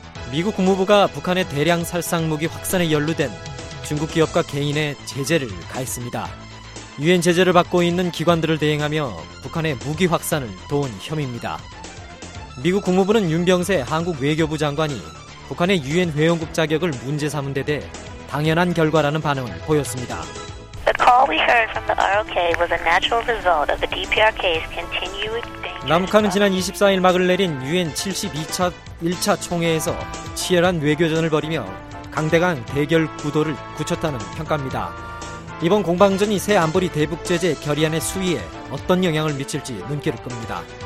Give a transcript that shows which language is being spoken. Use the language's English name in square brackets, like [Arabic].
[Korean] 미국 국무부가 북한의 대량 살상무기 확산에 연루된 중국 기업과 개인의 제재를 가했습니다. 유엔 제재를 받고 있는 기관들을 대행하며 북한의 무기 확산을 도운 혐의입니다. 미국 국무부는 윤병세 한국 외교부 장관이 북한의 유엔 회원국 자격을 문제 삼은 데 대해 당연한 결과라는 반응을 보였습니다. [English] The call we heard from the ROK was a natural result of the DPRK's continued danger. [Korean] 남북한은 지난 24일 막을 내린 유엔 72차 총회에서 치열한 외교전을 벌이며 강대강 대결 구도를 굳혔다는 평가입니다. 이번 공방전이 새 안보리 대북제재 결의안의 수위에 어떤 영향을 미칠지 눈길을 끕니다.